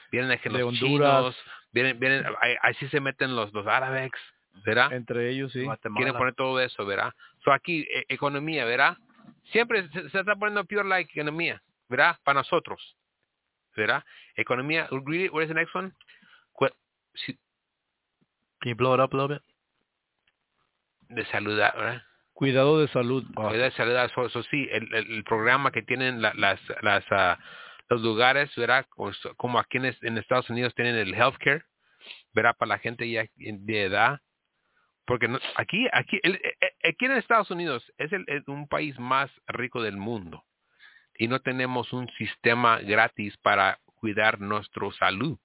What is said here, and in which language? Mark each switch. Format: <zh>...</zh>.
<es>vienen de los Honduras, chinos, vienen así se meten los árabes, ¿verdad? Entre ellos, sí. Guatemala. Quieren poner todo eso, ¿verdad? So aquí, economía, ¿verdad? Siempre se está poniendo peor la economía, ¿verdad? Para nosotros, ¿verdad? Economía,</es> <en>¿what is the next one? Can you blow it up a little bit?</en> <es>De salud, ¿verdad? Cuidado de salud. Wow. Cuidado de salud, eso sí, el programa que tienen los lugares, ¿verdad? Como aquí en Estados Unidos tienen el healthcare, ¿verdad? Para la gente ya de edad. Porque no, aquí en Estados Unidos es un país más rico del mundo y no tenemos un sistema gratis para cuidar nuestra salud.</es>